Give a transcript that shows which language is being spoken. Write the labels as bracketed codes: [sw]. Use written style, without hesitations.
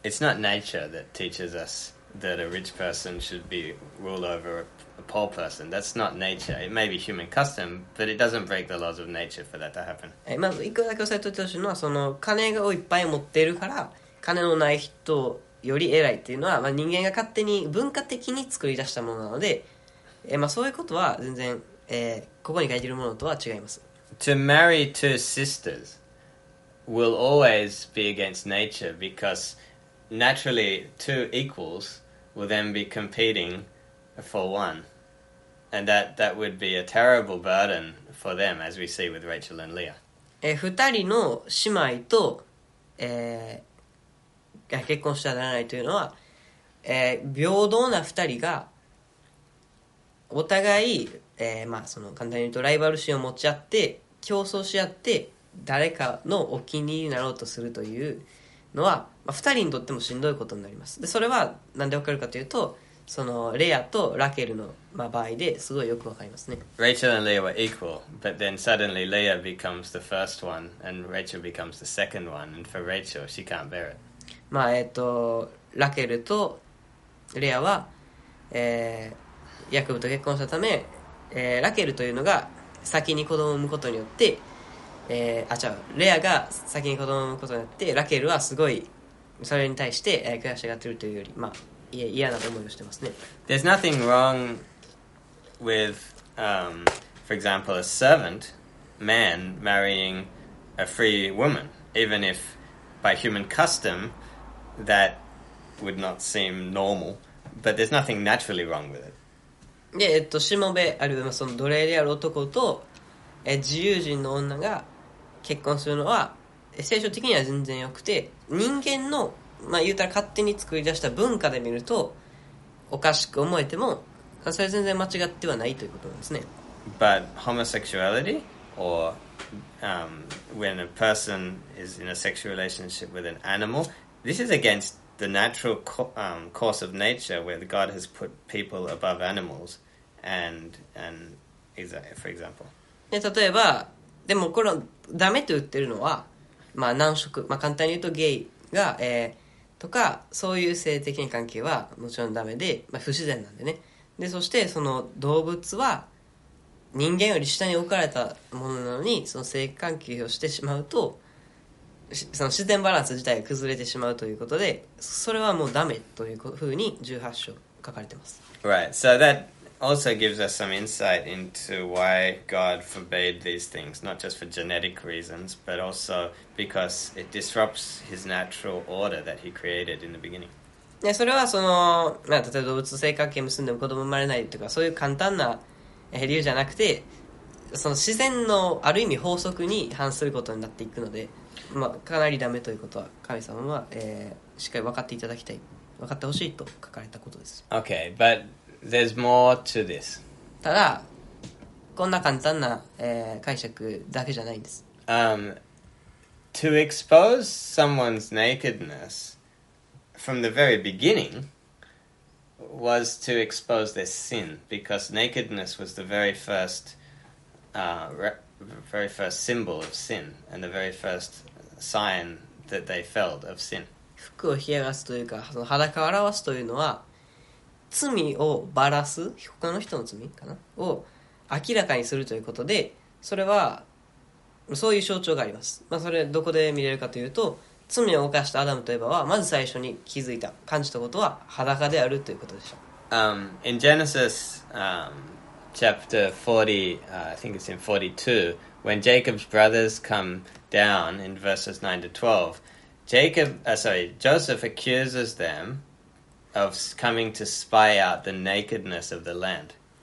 [en] It's not nature that teaches us that a rich person should be ruled over a poor person. That's not nature. It may be human custom, but it doesn't break the laws of nature for that to happen. [ja] まず一個だけ押さえておいてほしいのは、その金をいっぱい持っているから金のない人より偉いっていうのは、まあ、人間が勝手に文化的に作り出したものなので、まあ、そういうことは全然、ここに書いているものとは違います。 [en] To marry two sisters will always be against nature because naturally two equals will then be competing for one, and that would be a terrible burden for them, as we see with Rachel and Leah. [ja] 二人の姉妹と、が結婚したらならないというのは、平等な二人がお互い、まあ、その簡単に言うとライバル心を持ち合って競争し合って誰かのお気に入りになろうとするというのは、まあ、2人にとってもしんどいことになります。でそれはなんでわかるかというと、そのレアとラケルの、まあ、場合ですごいよくわかりますね。 [en] Rachel and Leah were equal, but then suddenly Leah becomes the first one and Rachel becomes the second one, and for Rachel she can't bear it. [ja] まあ、ラケルとレアは、ヤクブと結婚したため、ラケルというのが先に子供を産むことによって、レアが先に子供を産むことになって、ラケルはすごいそれに対して、悔しがってるというより、まあ、嫌な思いをしてますね。 [en] There's nothing wrong with, for example, a servant man marrying a free woman, even if by human custom that would not seem normal, but there's nothing naturally wrong with it. [ja] で、しもべ、あるいはその奴隷である男と、自由人の女が結婚するのは聖書的には全然よくて、人間の、まあ、言うたら勝手に作り出した文化で見るとおかしく思えても、それ全然間違ってはないということなんですね。 [en] But homosexuality or、when a person is in a sexual relationship with an animal, this is against the natural course of nature where God has put people above animals and for example. [ja] で、例えばでもこのダメと言ってるのは、まあ難色、まあ簡単に言うとゲイが、とかそういう性的な関係はもちろんダメで、まあ、不自然なんでね。で、そしてその動物は人間より下に置かれたものなのに、その性関係をしてしまうと、その自然バランス自体が崩れてしまうということで、それはもうダメというふうに18章書かれてます。 [en] Right, so that also gives us some insight into why God forbade these things, not just for genetic reasons, but also because it disrupts his natural order that he created in the beginning. [ja] Yeah, それはその、まあ、例えば動物と性関係を結んでも子供生まれないとか、そういう簡単な理由じゃなくて、その自然のある意味法則に反することになっていくので、まあ、かなりダメということは神様は、しっかり分かっていただきたい、分かってほしいと書かれたことです。 [en] Okay, but there's more to this. [ja] ただ、こんな簡単な、解釈だけじゃないんです。 [en] To expose someone's nakedness from the very beginning was to expose their sin, because nakedness was the very first, very first symbol of sin and the very first sign that they felt of sin. [ja] 服を冷やがすというか、その裸を表すというのは、罪をバラす、他の人の罪かなを明らかにするということで、それはそういう象徴があります。まあ、それどこで見れるかというと、罪を犯したアダムとエヴァはまず最初に気づいた、感じたことは裸であるということでした。 [en] In Genesis, chapter 40, I think it's in 42, when Jacob's brothers come down in verses 9 to 12, Joseph accuses them of coming to spy out the nakedness of the land.